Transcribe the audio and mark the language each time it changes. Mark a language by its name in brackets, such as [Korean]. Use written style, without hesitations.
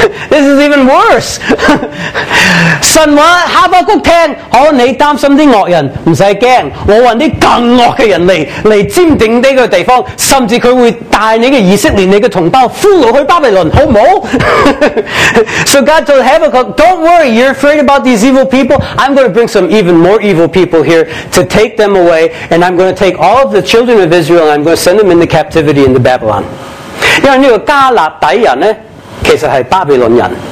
[English] This is even worse. [Chinese] 神話哈巴谷聽,你擔心惡人,不用怕,我找更惡的人來佔領這個地方,甚至他會帶你的以色列,你的同胞俘虜去巴比倫,好不好? [English] So God told Habakkuk, don't worry, you're afraid about these evil people, I'm going to bring some even more evil people here to take them away, and I'm going to take all of the children of Israel and I'm going to send them into captivity into Babylon. [Chinese] 因为这个加勒底人呢,其实是巴比伦人。